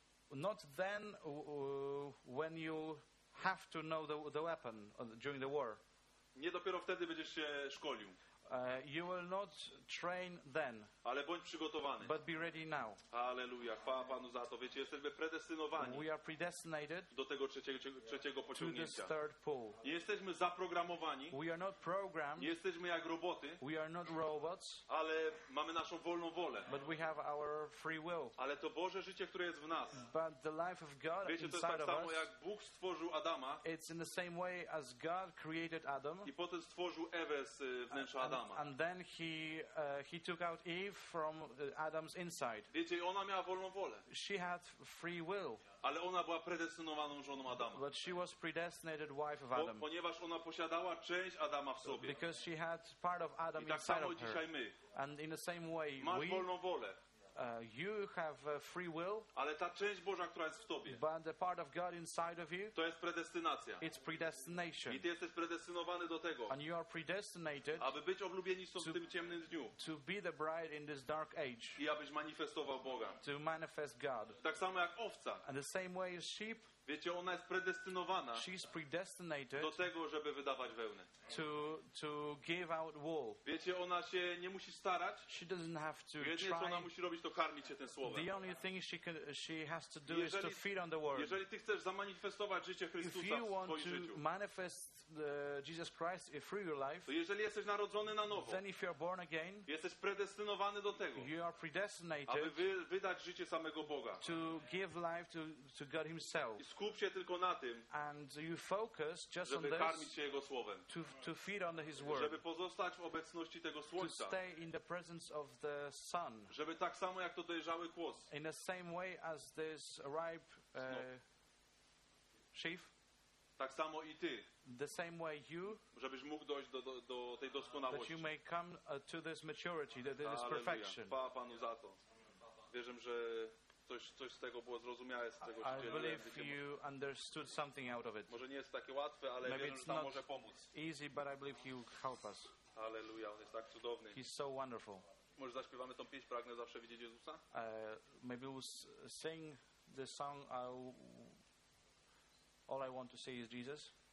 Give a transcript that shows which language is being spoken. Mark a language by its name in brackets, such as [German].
[English] Not then when you have to know the weapon during the war. [Polish] Nie dopiero wtedy będziesz się szkolił. [English] You will not train then. [Polish] Ale bądź przygotowany. [English] But be ready now. [Polish] Hallelujah. Chwała Panu za to. Wiecie, jesteśmy predestynowani. [English] We are predestinated [Polish] do tego trzeciego pociągnięcia. [English] To this third pool. [Polish] Nie jesteśmy zaprogramowani. [English] We are not programmed. [Polish] Nie jesteśmy jak roboty. [English] We are not robots. [Polish] Ale mamy naszą wolną wolę. [English] But we have our free will. [Polish] Ale to Boże życie, które jest w nas. [English] But the life of God inside of us. [Polish] Wiecie, to jest tak samo, jak Bóg stworzył Adama. [English] It's in the same way as God created Adam. [Polish] I potem stworzył Ewę z wnętrza Adama. [English] And then he took out Eve from Adam's inside. [Polish] Wiecie, ona miała wolną wolę. [English] She had free will. [Polish] Ale ona była predestynowaną żoną Adama. [English] But she was predestinated wife of Adam. [Polish] Ponieważ ona posiadała część Adama w sobie. [English] Because she had part of Adam inside of her. [Polish] I tak samo dzisiaj my. [English] And in the same way, [Polish] masz wolną wolę. [English] You have free will. [Polish] Ale ta część Boża, która jest w tobie. [English] But the part of God inside of you. [Polish] To jest predestynacja. [English] It's predestination. [Polish] I ty jesteś predestynowany do tego. [English] And you are predestinated. [Polish] Aby być oblubienicą w tym ciemnym dniu. [English] To be the bride in this dark age. [Polish] I abyś manifestował Boga. [English] To manifest God. [Polish] Tak samo jak owca. [English] And the same way as sheep. [Polish] Wiecie, ona jest predestynowana. [English] She's predestinated [Polish] do tego, żeby wydawać wełnę. [English] To give out wool. [Polish] Wiecie, ona się nie musi starać. [English] She doesn't have to [Polish] jedynie, [English] try. [Polish] Co ona musi robić, to karmić się tym słowem. [English] The only thing she has to do is to feed on the word. [Polish] Jeżeli ty chcesz zamanifestować życie Chrystusa w swoim życiu. [English] If you want to manifest Jesus Christ through your life. [Polish] To jeżeli jesteś narodzony na nowo. [English] Then if you're born again. [Polish] Jesteś predestynowany do tego. [English] You are predestinated. [Polish] Aby wydać życie samego Boga. [English] To give life to God himself. [Polish] Skup się tylko na tym, [English] and you focus just [Polish] żeby [English] on [Polish] karmić [English] this, [Polish] się Jego Słowem. [English] To feed on his word, [Polish] żeby pozostać w obecności tego Słońca. [English] To stay in the presence of the sun, [Polish] żeby tak samo jak to dojrzały kłos. [English] In the same way as this ripe sheaf. [Polish] Tak samo i ty. [English] The same way you, [Polish] żebyś mógł dojść do tej doskonałości. [English] That you may come to this maturity, to this [Polish] Alleluja. [English] Perfection. [Polish] Chwała Panu za to. Wierzę, że coś z tego było zrozumiałe z tego życia. [English] I believe you understood something out of it. [Polish] Może nie jest takie łatwe, ale [English] maybe [Polish] wiem, że to może pomóc. [English] Easy, but I believe he will help us. [Polish] Alleluja, on jest tak cudowny. [English] He's so wonderful. [Polish] Może zaśpiewamy tą pieśń, pragnę zawsze widzieć Jezusa? [English] Maybe we'll sing the song All I Want to See is Jesus.